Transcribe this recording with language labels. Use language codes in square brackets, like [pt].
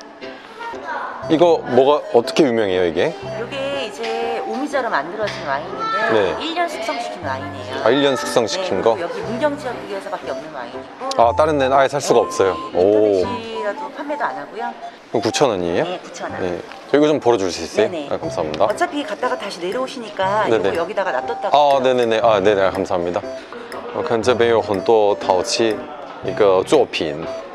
[zh] 哦，好爽，真的好像有里面有蜂蜜的感觉，还蛮甜的。其实，我觉得大家都会喜欢这样的口味。你要不要品尝一下酒？ [ko] 이거 뭐가 어떻게 유명해요 이게？ 이게 이제 오미자로 만들어진 와인인데 네. 1년 숙성시킨 와인이에요. 아, 1년 숙성시킨 네, 거? 여기 문경 지역에서밖에 없는 와인이고. 아, 다른 데는 아예 살 수가 네, 없어요. 인터넷이... 오. 저희가도 판매도 안 하고요. 그럼 9,000원이에요? 네, 9,000원. 네. 이거 좀 벌어줄 수 있어요? 네네. 아, 감사합니다. 어차피 갔다가 다시 내려오시니까 이거 여기다가 놔뒀다고. 아, 네네네. 아, 네네. 감사합니다. [zh] 看这边有很多陶器一个作品